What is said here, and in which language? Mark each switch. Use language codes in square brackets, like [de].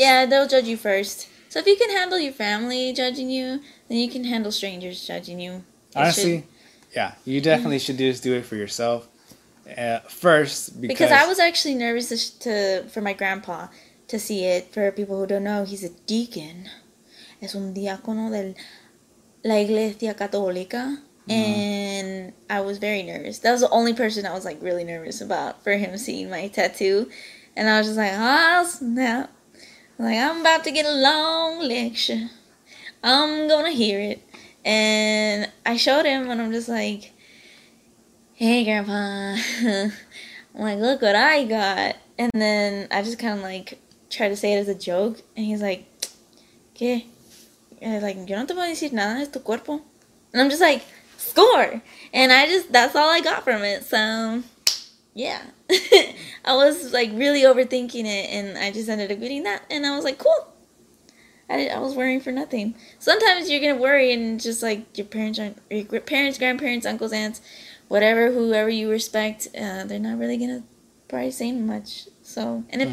[en] Yeah, they'll judge you first. So if you can handle your family judging you, then you can handle strangers judging you. You should do it for yourself. First, because I was actually nervous for my grandpa to see it. For people who don't know, he's a deacon. [es] Es un diácono de la iglesia católica. [en] Mm-hmm. And I was very nervous. That was the only person I was, like, really nervous about for him seeing my tattoo. And I was just like, oh, snap. Like, I'm about to get a long lecture. I'm gonna hear it. And I showed him and I'm just like, hey, Grandpa. I'm like, look what I got. And then I just kind of, like, try to say it as a joke. And he's like, ¿qué? And he's like, [es] yo no te puedo decir nada, es tu cuerpo. [en] And I'm just like, score. And I just, that's all I got from it. So, yeah. I was, like, really overthinking it. And I just ended up getting that. And I was like, cool. I was worrying for nothing. Sometimes you're going to worry and just, like, your parents, grandparents, uncles, aunts, whatever, whoever you respect, they're not really going to probably say much. So, and if mm-hmm.